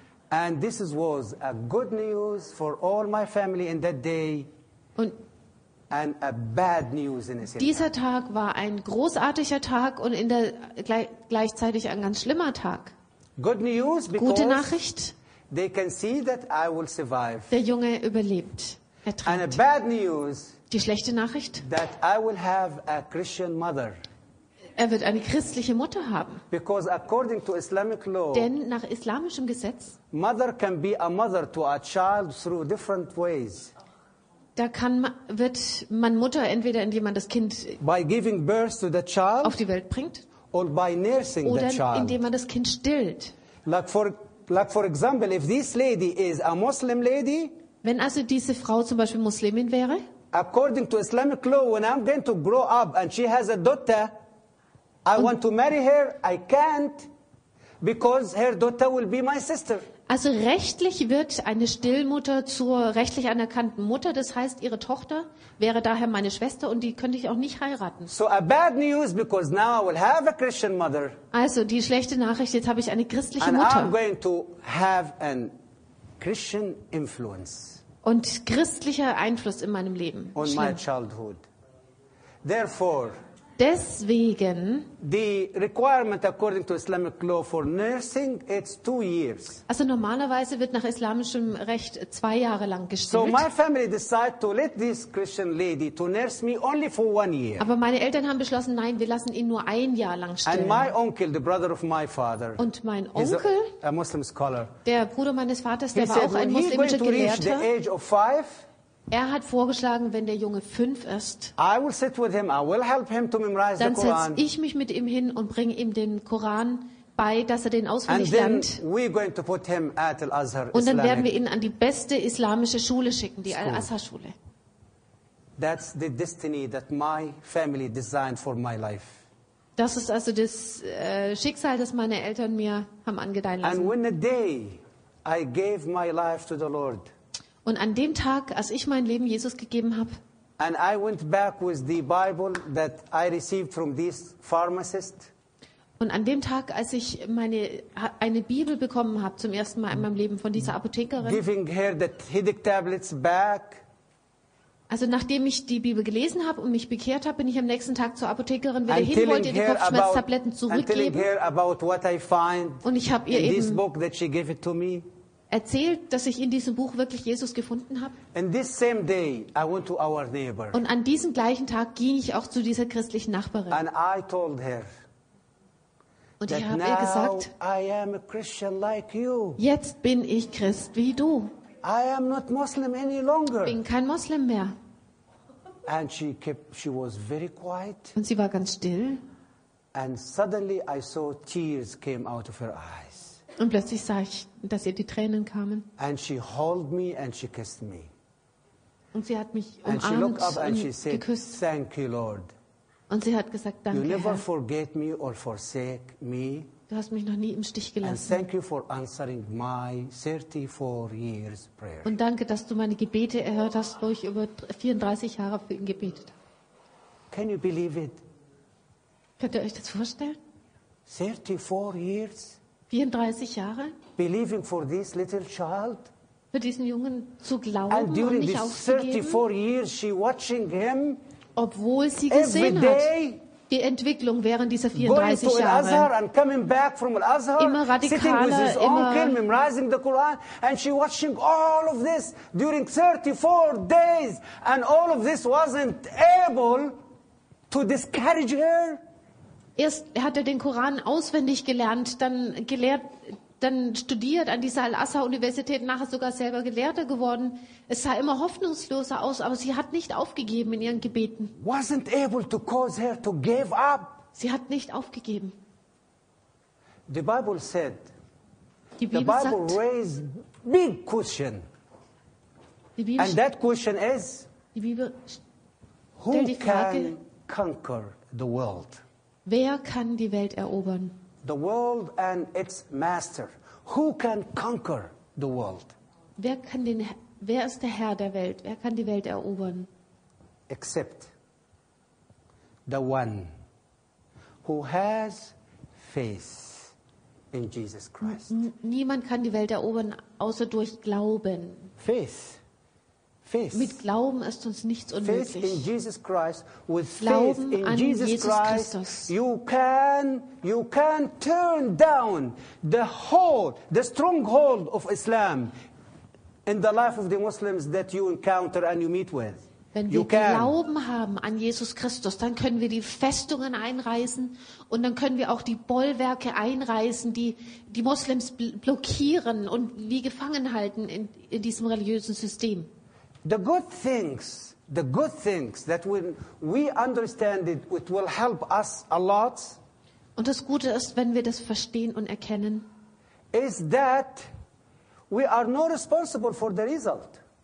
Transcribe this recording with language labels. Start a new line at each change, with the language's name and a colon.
English: And this was a good news for all my family in that day. And a bad news in a sense.
German: Dieser Tag war ein großartiger Tag und in der gleichzeitig ein ganz schlimmer Tag.
English: Good news because
German: Gute Nachricht.
English: They can see that I will survive.
German: Der Junge überlebt. Er trinkt.
English: And a bad news.
German: Die schlechte Nachricht.
English: That I will have a Christian mother.
German: Er wird eine christliche Mutter haben.
English: Because according to Islamic law,
German: denn nach islamischem Gesetz,
English: mother can be a mother to a child through different ways.
German: Da kann wird man Mutter entweder indem man das Kind
English: by giving birth to the child
German: auf die Welt bringt,
English: or by nursing
German: oder
English: the child.
German: Indem man das Kind stillt.
English: Like for example, if this lady is a Muslim lady,
German: wenn also diese Frau zum Beispiel Muslimin wäre,
English: according to Islamic law, when I'm going to grow up and she has a daughter. I want to marry her. I can't, because her daughter will be my sister.
German: Also rechtlich wird eine Stillmutter zur rechtlich anerkannten Mutter. Das heißt, ihre Tochter wäre daher meine Schwester und die könnte ich auch nicht heiraten.
English: So a bad news, because now I will have a Christian mother.
German: Also die schlechte Nachricht: Jetzt habe ich eine christliche
English: and
German: Mutter.
English: And I'm going to have a Christian influence.
German: Und christlicher Einfluss in meinem Leben.
English: On my childhood. Therefore.
German: Deswegen
English: the requirement according to Islamic law for nursing it's 2 years.
German: Also normalerweise wird nach islamischem Recht 2 Jahre lang gestillt.
English: So my family decided to let this Christian lady to nurse me only for 1 year.
German: Aber meine Eltern haben beschlossen, nein, wir lassen ihn nur 1 Jahr lang stillen.
English: And my uncle, the brother of my father,
German: und mein Onkel,
English: a Muslim scholar,
German: der Bruder meines Vaters, der
English: he
German: war
English: said,
German: auch ein muslimischer
English: he
German: Gelehrter.
English: Reach the age of 5,
German: er hat vorgeschlagen, wenn der Junge 5 ist,
English: I will sit with him. I will help him to memorize
German: dann setze ich mich mit ihm hin und bringe ihm den Koran bei, dass er den auswendig lernt.
English: We're going to put him at Al-Azhar
German: und dann werden wir ihn an die beste islamische Schule schicken, die Al-Azhar-Schule.
English: That's the destiny that my family designed for my life.
German: Das ist also das Schicksal, das meine Eltern mir haben angedeihen lassen.
English: And when a day I gave my life to the Lord,
German: und an dem Tag, als ich mein Leben Jesus gegeben habe,
English: and I went back with the Bible that I received from this pharmacist,
German: und an dem Tag, als ich eine Bibel bekommen habe zum ersten Mal in meinem Leben von dieser Apothekerin,
English: giving her the headache tablets back,
German: also nachdem ich die Bibel gelesen habe und mich bekehrt habe, bin ich am nächsten Tag zur Apothekerin wieder hin, wollte die Kopfschmerztabletten zurückgeben, und ich habe ihr
English: in
German: eben
English: this book that she gave it to me,
German: erzählt, dass ich in diesem Buch wirklich Jesus gefunden habe. Und an diesem gleichen Tag ging ich auch zu dieser christlichen Nachbarin.
English: And I told her,
German: und ich habe ihr gesagt,
English: I am a Christian like you.
German: Jetzt bin ich Christ wie du.
English: I am not Muslim any longer.
German: Bin kein Muslim mehr.
English: And she was very quiet.
German: Und sie war ganz still.
English: And suddenly I saw tears came out of her eyes.
German: Und plötzlich sah ich, dass ihr die Tränen kamen.
English: And she held me and she kissed me.
German: Und sie hat mich umarmt und geküsst.
English: Thank you, Lord.
German: Und sie hat gesagt, danke,
English: you never forget me or forsake me.
German: Du hast mich noch nie im Stich gelassen.
English: And thank you for answering my 34 years prayer.
German: Und danke, dass du meine Gebete erhört hast, wo ich über 34 Jahre für ihn gebetet habe.
English: Can you believe it?
German: Könnt ihr euch das vorstellen?
English: 34 years?
German: 34 Jahre?
English: Believing for this little child?
German: Für diesen Jungen zu glauben und nicht aufzugeben.
English: And during these 34 years, she watching him.
German: Obwohl sie gesehen hat, die Entwicklung während dieser 34 Jahre. Immer radikaler, immer.
English: Sitting the Quran, and she watching all of this during 34 days, and all of this wasn't able to discourage her.
German: Erst hat er den Koran auswendig gelernt, dann gelehrt, dann studiert an dieser Al-Azhar-Universität, nachher sogar selber Gelehrter geworden. Es sah immer hoffnungsloser aus, aber sie hat nicht aufgegeben in ihren Gebeten.
English: Wasn't able to cause her to give up.
German: Sie hat nicht aufgegeben.
English: The Bible said,
German: die Bibel
English: the Bible
German: sagt,
English: raised big question.
German: Die Bibel
English: and that question is,
German: die Bibel
English: who
German: stellt die Frage,
English: can conquer the world?
German: Wer kann die Welt erobern?
English: The world and its master. Who can conquer the world?
German: Wer ist der Herr der Welt? Wer kann die Welt erobern?
English: Except the one who has faith in Jesus Christ.
German: Niemand kann die Welt erobern, außer durch Glauben.
English: Faith. Faith.
German: Mit Glauben ist uns nichts unmöglich.
English: Faith in Jesus Christ, with
German: Glauben
English: faith in
German: an
English: Jesus Christ,
German: Christus.
English: You can turn down the stronghold of Islam in the life of the Muslims that you encounter and you meet with.
German: Wenn
English: you
German: wir
English: can.
German: Glauben haben an Jesus Christus, dann können wir die Festungen einreißen und dann können wir auch die Bollwerke einreißen, die die Muslims blockieren und wie gefangen halten in diesem religiösen System.
English: The good things that when we understand it will help us a lot.
German: Und das Gute ist, wenn wir das verstehen und erkennen,
English: is that we are not responsible for the result.